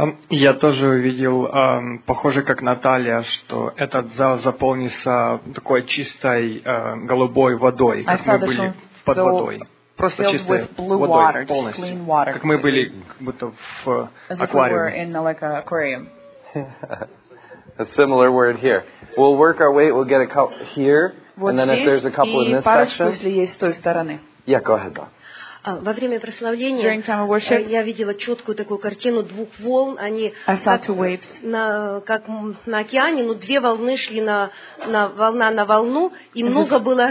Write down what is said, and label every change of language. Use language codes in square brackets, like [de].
[ru] Я тоже увидел, похоже, как Наталья, что этот зал заполнится такой чистой голубой водой, как мы были под водой. Просто чистой водой, полностью. Как мы были как будто в аквариуме. [en] As if we were in like an aquarium. A similar word here. We'll work our way, we'll get a couple here, and then if there's a couple in this section. [ru] Есть с той стороны. [en] Yeah, go ahead, Bob. [ru] Во время прославления я видела четкую такую картину двух волн. Они как на океане, но две волны шли на волна на волну, и много было